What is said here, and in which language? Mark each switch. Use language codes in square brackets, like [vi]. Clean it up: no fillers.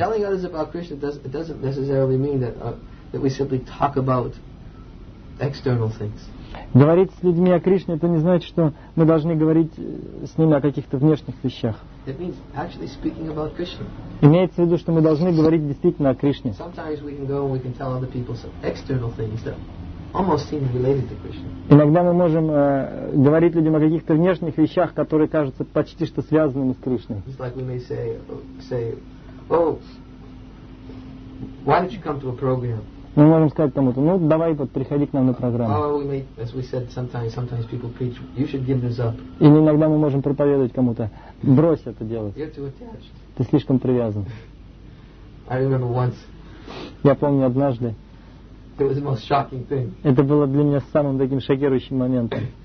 [en] Telling others about Krishna doesn't necessarily mean that we simply talk about external things. [ru] Говорить с людьми о Кришне, это не значит, что мы должны говорить с ними о каких-то внешних вещах. [en] It means actually speaking about Krishna. [ru] Имеется в виду, что мы должны говорить действительно о Кришне. [en] Sometimes we can go and we can tell other people some external things that almost seem related to Krishna. [ru] Иногда мы можем говорить людям о каких-то внешних вещах, которые кажутся почти что связанными с Кришной. [en] It's like we may say, oh, why did you come to a program? [ru] Мы можем сказать кому-то, ну, давай вот, приходи к нам на программу. Или иногда мы можем проповедовать кому-то, брось это делать. Ты слишком привязан. Я помню однажды, это было для меня самым таким шокирующим моментом.